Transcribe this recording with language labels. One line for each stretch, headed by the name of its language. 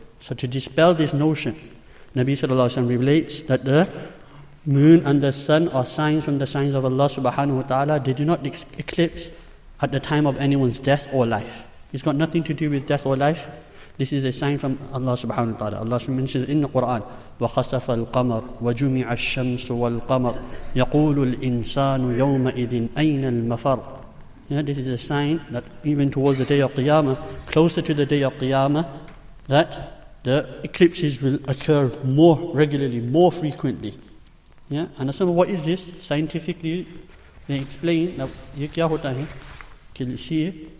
English: So to dispel this notion, Nabi sallallahu alaihi wasallam relates that the moon and the sun are signs from the signs of Allah subhanahu wa ta'ala. They do not eclipse at the time of anyone's death or life. It's got nothing to do with death or life. This is a sign from Allah subhanahu wa ta'ala. Allah mentions in the Quran,
Arabic: وَخَسَفَ الْقَمَرُ وَجُمِعَ الشَّمْسُ وَالْقَمَرُ يَقُولُ الْإِنسَانُ يَوْمَئِذٍ أَيْنَ الْمَفَرُ.
English: Yeah, this is a sign that even towards the day of Qiyamah, closer to the day of Qiyamah, that the eclipses will occur more regularly, more frequently. Yeah, and so what is this? Scientifically, they explain that
Hindi: ye kya hota hai?
English: Can you see?